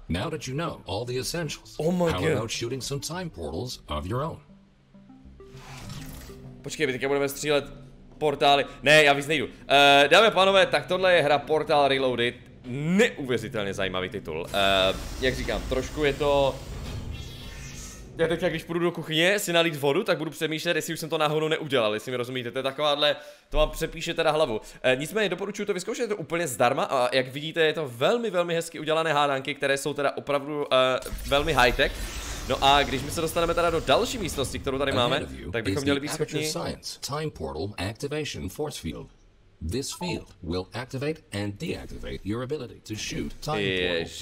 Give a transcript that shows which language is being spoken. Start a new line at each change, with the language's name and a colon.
English: Now that you know all the essentials, oh my how God. About shooting some time portals of your own?
Czech: Počkej, my teďka budeme střílet portály. Ne, já víc nejdu. Dámy a pánové, tak tohle je hra Portal Reloaded. Neuvěřitelně zajímavý titul. Jak říkám, trošku je to... Já teďka, když půjdu do kuchyně si nalít vodu, tak budu přemýšlet, jestli už jsem to náhodou neudělal, jestli mi rozumíte, to je takováhle, to vám přepíše teda hlavu. Nicméně doporučuji to vyzkoušet, je to úplně zdarma a jak vidíte, je to velmi, velmi hezky udělané hádanky, které jsou teda opravdu velmi high-tech. No a když my se dostaneme teda do další místnosti, kterou tady máme, tak bychom měli být schopni...
English: Time portal activation force field. This field will activate and deactivate your ability to shoot time portals.